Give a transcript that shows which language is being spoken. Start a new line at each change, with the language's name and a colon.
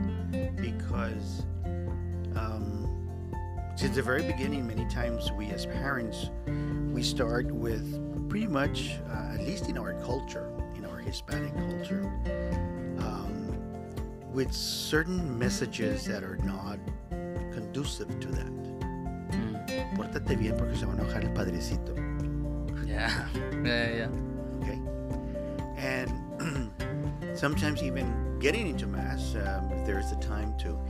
English: Because since the very beginning, many times we as parents, we start with pretty much, at least in our culture, in our Hispanic culture, with certain messages that are not conducive to that.
Spanish: Pórtate bien porque se va a enojar el padrecito.
English: Yeah. Okay. And sometimes even getting into Mass, there's the time to...